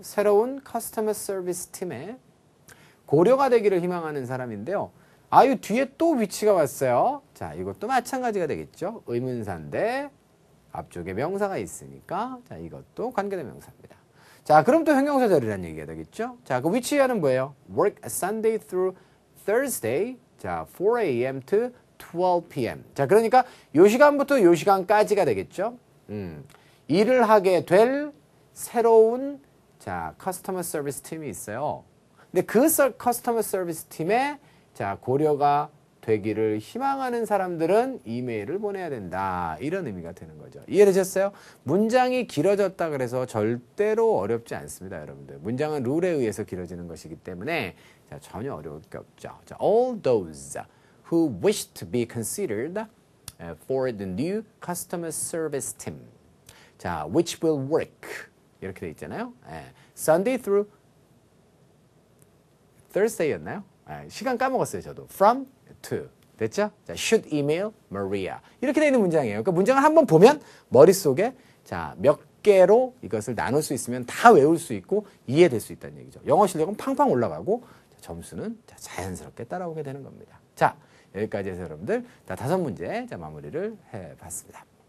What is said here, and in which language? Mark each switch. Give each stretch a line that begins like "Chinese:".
Korean: 새로운 커스터머 서비스 팀에 고려가 되기를 희망하는 사람인데요. 아유, 뒤에 또 위치가 왔어요. 자, 이것도 마찬가지가 되겠죠. 의문사인데 앞쪽에 명사가 있으니까 자, 이것도 관계대명사입니다. 자, 그럼 또 형용사절이라는 얘기가 되겠죠. 자, 그 위치하는 뭐예요?
English: Work Sunday through Thursday 자, 4 a.m. to 12 p.m.
Korean: 자 그러니까 요 시간부터 요 시간까지가 되겠죠. 일을 하게 될 새로운 자 커스터머 서비스 팀이 있어요. 근데 그 커스터머 서비스 팀에 자 고려가 되기를 희망하는 사람들은 이메일을 보내야 된다 이런 의미가 되는 거죠. 이해되셨어요? 문장이 길어졌다 그래서 절대로 어렵지 않습니다, 여러분들. 문장은 룰에 의해서 길어지는 것이기 때문에 자 전혀 어려울 게 없죠.
English: 자, all those who wish to be considered for the new customer service team.
Korean: 자,
English: which will work.
Korean: 이렇게 돼 있잖아요. 예.
English: Sunday through Thursday였나요?
Korean: 예. 시간 까먹었어요, 저도.
English: From to.
Korean: 됐죠? 자,
English: should email Maria.
Korean: 이렇게 돼 있는 문장이에요. 그러니까 문장을 한번 보면 머릿속에 자, 몇 개로 이것을 나눌 수 있으면 다 외울 수 있고 이해될 수 있다는 얘기죠. 영어 실력은 팡팡 올라가고 자, 점수는 자, 자연스럽게 따라오게 되는 겁니다. 자, 여기까지 해서 여러분들 자, 다섯 문제 자, 마무리를 해봤습니다.